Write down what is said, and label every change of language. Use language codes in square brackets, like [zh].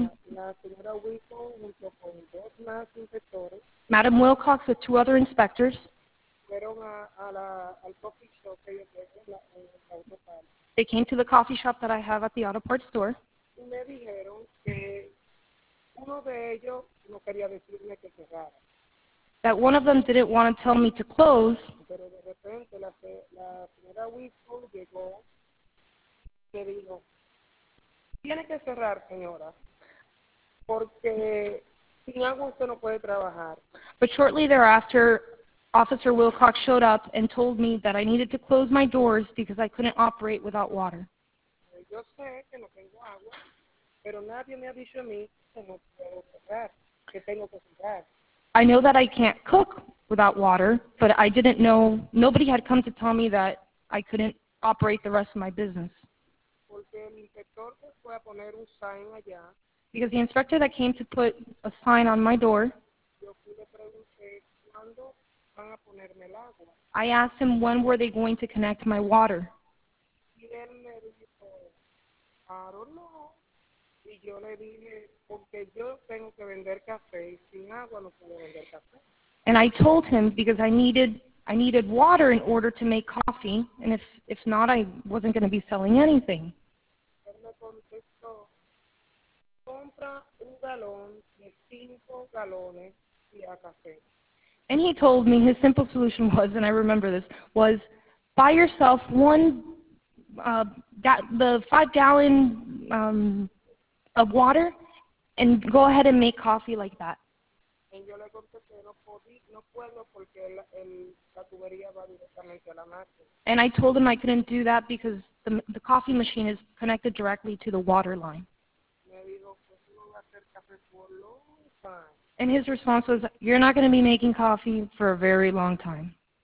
[es] La señora Wilco junto con dos más inspectores. [en] Madam Wilcox with two other inspectors. [es] Fueron al coffee shop que yo tengo en la auto parts. [en] They came to the coffee shop that I have at the auto parts store. [es] Y me dijeron que uno de ellos no quería decirme que cerrara. [en] that one of them didn't want to tell me to close. [es] Pero de repente la señora Whistle llegó y me dijo, tiene que cerrar, señora, porque sin agua usted no puede trabajar. [en] But shortly thereafter, Officer Wilcox showed up and told me that I needed to close my doors because I couldn't operate without water. [es] Yo sé que no tengo agua, pero nadie me ha dicho a mí que no puedo cerrar, que tengo que cerrar. [en] I know that I can't cook without water, but I didn't know, nobody had come to tell me that I couldn't operate the rest of my business. [es] Porque el inspector que fue a poner un sign allá, [en] because the inspector that came to put a sign on my door, [es] yo fui le pregunté, ¿cuándo van a ponerme el agua? [en] I asked him when were they going to connect my water. [es] Y él me dijo, [en] I don't know. [es] Y yo le dije, porque yo tengo que vender café, sin agua no puedo vender café. [en] And I told him because I needed water in order to make coffee, and if not, I wasn't going to be selling anything. [es] Él me contestó, compra un galón de cinco galones y a café. [en] And he told me his simple solution was, and I remember this, was buy yourself the 5 gallon of water and go ahead and make coffee like that. [es] And yo le contesté, no puedo porque la tubería va directamente a la máquina. [en] And I told him I couldn't do that because the coffee machine is connected directly to the water line. [es] Me dijo, pues no va a hacer café por [en] long time. And his response was, you're not going to be making coffee for a very long time.